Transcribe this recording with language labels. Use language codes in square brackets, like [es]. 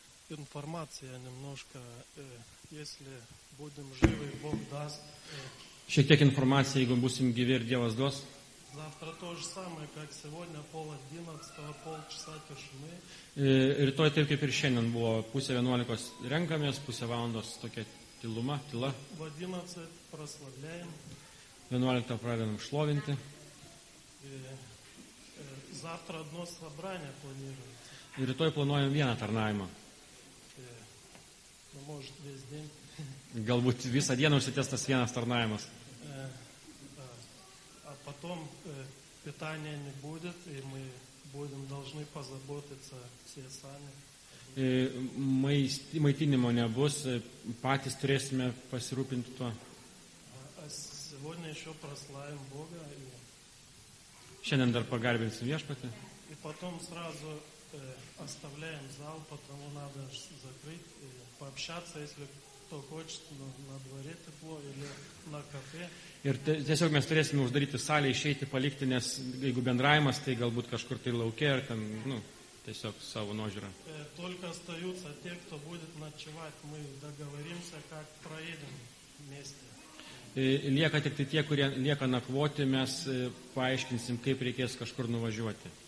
[ru] Информация немножко, если будем живы, Бог даст. [lt] Šiek tiek informacija, jeigu būsim gyvi ir Dievas duos. [ru] Завтра то же самое, как сегодня, пол 11, полчаса тишины. [lt] Rytoj taip kaip ir šiandien buvo, pusė 11 renkamės, pusė valandos tokia tyluma, tyla. [ru] В 11 прославляем. [lt] 11 pradedam šlovinti. [ru] Завтра одно собрание планируем. [lt] Rytoj planuojam vieną tarnavimą. [ru] Может весь день. [lt] Galbūt visą dieną užsitęs tas vienas tarnavimas. [ru] А потом питания не будет, и мы будем должны позаботиться все сами. [lt] Maitinimo nebus, patys turėsime pasirūpinti tuo. [ru] Сегодня еще прославим Бога. [lt] Šiandien dar pagarbinsim Viešpatį. [ru] И потом сразу оставляем зал, потому надо закрыть и пообщаться, если кто хочет, но на дворе тепло или на кафе. [lt] Ir tiesiog mes turėsime uždaryti salę, išeiti, palikti, nes jeigu bendravimas, tai galbūt kažkur tai lauke ar ten, nu, tiesiog savo nuožiūra. [ru] Только остаются те, кто будет ночевать, мы договоримся, как проедем вместе. [lt] Lieka tik tie, kurie lieka nakvoti, mes paaiškinsim, kaip reikės kažkur nuvažiuoti.